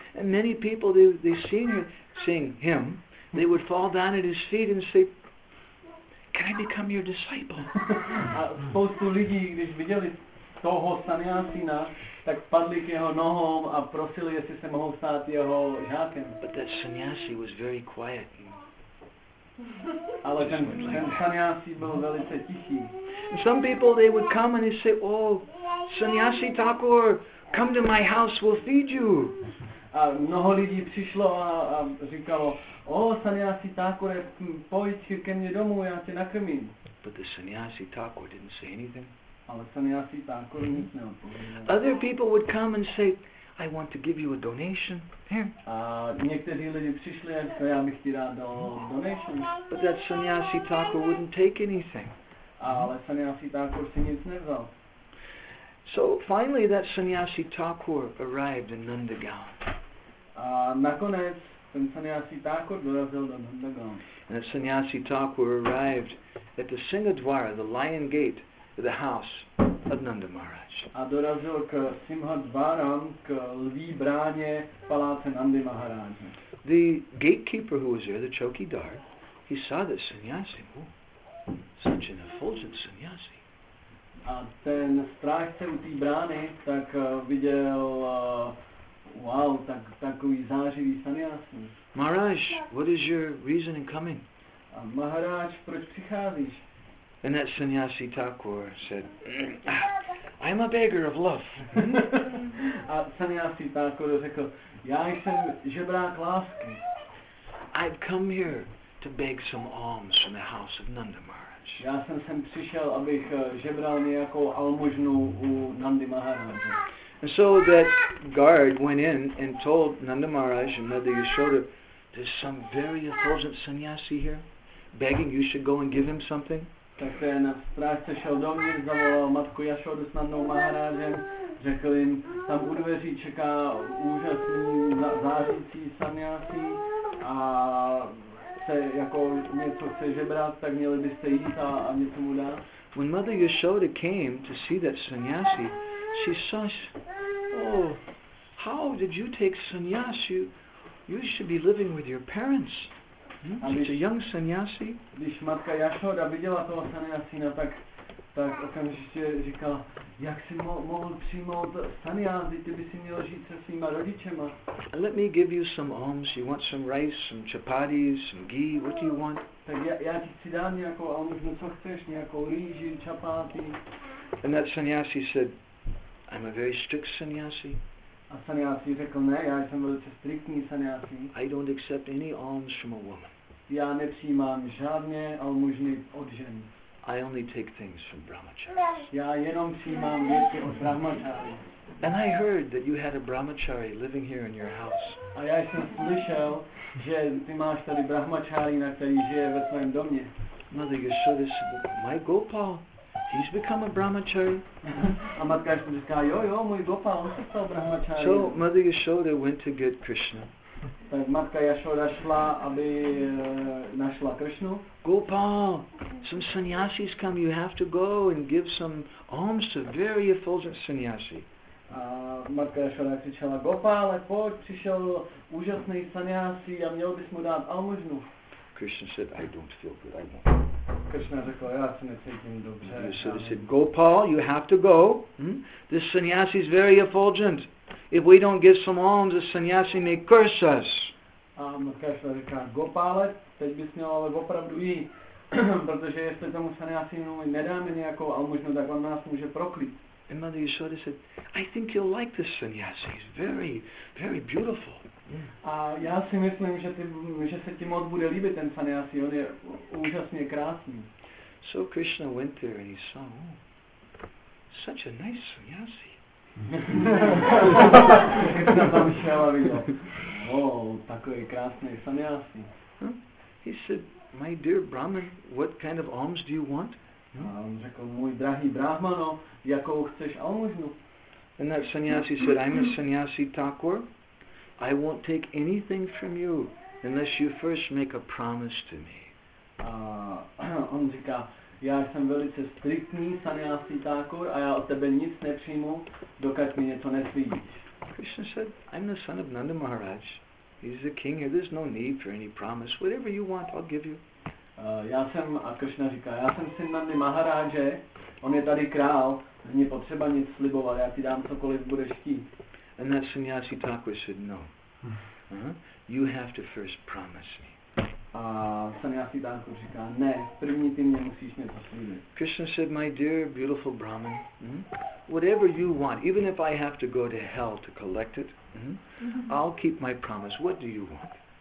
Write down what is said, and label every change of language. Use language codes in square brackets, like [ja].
[en] And many people, they seen him, they would fall down at his feet and say, can I become your disciple? [cs] A spoustu lidí, když viděli toho sannyasina, tak padli k jeho nohom a prosili, jestli se mohou stát jeho žákem. [en] But that sannyasi was very quiet. [cs] Ale ten sannyasi byl velice tichý. [en] Some people, they would come and they say, oh, sannyasi Thakur, come to my house, we'll feed you. [cs] A mnoho lidí přišlo a říkalo, oh, sannyasi Thakur, pojď ke mně domů, já tě nakrmím. [en] But the sannyasi Thakur didn't say anything. [cs] Ale sannyasi Thakur nic neodpověděl. [en] Other people would come and say, I want to give you a donation. [cs] Někteří lidi přišli, že já bych ti rád dal donation. [en] But that sannyasi Thakur wouldn't take anything. [cs] Ale sannyasi Thakur si nic nevzal. [en] So finally that sannyasi Thakur arrived in Nandagaon. [cs] A nakonec ten sannyasi Thakur dorazil do Nandagaon. [en] And that sannyasi Thakur arrived at the Singhadwara, the lion gate, the house of Nanda Maharaj. [cs] A dorazil k Simhadvaram, k lví bráně paláce Nandy Maharaje. [en] The gatekeeper who was there, the chokidar, he saw the sannyasi. Oh, such an effulgent sannyasi. [cs] A ten strážce u té brány tak viděl, wow, tak takový zářivý sannyasi. [en] Maharaj, what is your reason in coming? [cs] A Maharaj, proč přicházíš? [en] And that sannyasi Thakur said, I am a beggar of love. [cs] A sannyasi Thakur řekl, já jsem žebrák lásky. [en] I've come here to beg some alms from the house of Nanda Maharaj. [cs] Já jsem sem přišel, abych žebral nějakou almužnu u Nandy Maharaj. [en] And so that guard went in and told Nanda Maharaj and Mother Yashoda, there's some very effulgent sannyasi here begging, you should go and give him something. [cs] Tak ten strážce šel dovnitř, zavolal matku Jašodu s nadnou Maharážem, řekl jim, tam u dveří čeká úžasný zářící sanjasi a chce jako něco chce žebrat, tak měli byste jít a něco mu dát. [en] When Mother Yashoda came to see that sannyasi, she saw, oh, how did you take sannyas? You should be living with your parents. Such a young sannyasi. [cs] Když matka Yashoda viděla toho sannyasina, tak okamžitě říkala, jak jsi mohl přijmout sannyasi, ty bys měl žít se svýma rodičema. [en] Let me give you some alms. You want some rice, some chapatis, some ghee, what do you want? [cs] Tak já ti chci dát nějakou alms, no co chceš, nějakou rýži, čapáty. [en] And that sannyasi said, I'm a very strict sannyasi. [cs] A sannyasi řekl, ne, já jsem velice striktní sannyasi. [en] I don't accept any alms from a woman. [cs] Já nepřijímám žádné almužny od žen. [en] I only take things from brahmacharis. [cs] Já jenom přijímám věci od brahmacharis. [en] And I heard that you had a brahmachari living here in your house. [cs] A já jsem slyšel, že ty máš tady brahmachari, na který žije ve tvém domě. [en] Mother Yashoda said, my Gopal, he's become a brahmachari. [cs] A matka Yashoda říká, jo, jo, můj Gopal, on se stal brahmachari. [en] So Mother Yashoda went to get Krishna. [cs] Tak matka Yashoda šla, aby našla Krishnu. [en] Gopal, some sannyasis come, you have to go and give some alms to very effulgent sannyasi. [cs] A matka Yashoda křičela, Gopale, pojď, přišel úžasný sannyasi a měl bys mu dát almužnu. [en] Krishna said, I don't feel good, I won't. [cs] Krishna řekl, já se necítím dobře. [en] Yashoda said, Gopal, you have to go. This sannyasi is very effulgent. If we don't give some alms, the sannyasi may curse us. [cs] A matka Yashoda říká, Gopale, teď bys měl ale opravdu jít. Protože jestli tomu sannyasinu nedáme nějakou almužnu, tak on nás může proklít. [en] And Mother Yashoda said, I think you'll like this sannyasi, he's very, very beautiful. [cs] A já si myslím, že se ti moc bude líbit ten sannyasi, on je úžasně krásný. [en] So Krishna went there and he saw, oh, such a nice sannyasi. [cs] Krishna tam šel a viděl, oh, takový krásný sannyasi. [en] He said, my dear Brahman, what kind of alms do you want? [cs] A on řekl, můj drahý Brahmano, jakou chceš almužnu? [en] And that sannyasi said, I'm a sannyasi Thakur. I won't take anything from you unless you first make a promise to me. [cs] On říká, já jsem velice striktní sannyasi Thakur a já od tebe nic nepřijmu, dokud mi něco neslíbíš. [en] Krishna said, I'm the son of Nanda Maharaj. He's the king here. There's no need for any promise. Whatever you want, I'll give you. [cs] Krishna říká, já jsem syn Nandy Maharáže, on je tady král, není potřeba nic slibovat, já ti dám cokoliv budeš chtít. [en] And that sannyasi Thakur said, no, you have to first promise me. [cs] A sannyasi Thakur říká, ne, první ty mě musíš něco slíbit. [en] Krishna said, my dear beautiful Brahman, whatever you want, even if I have to go to hell to collect it, I'll keep my promise, what do you want?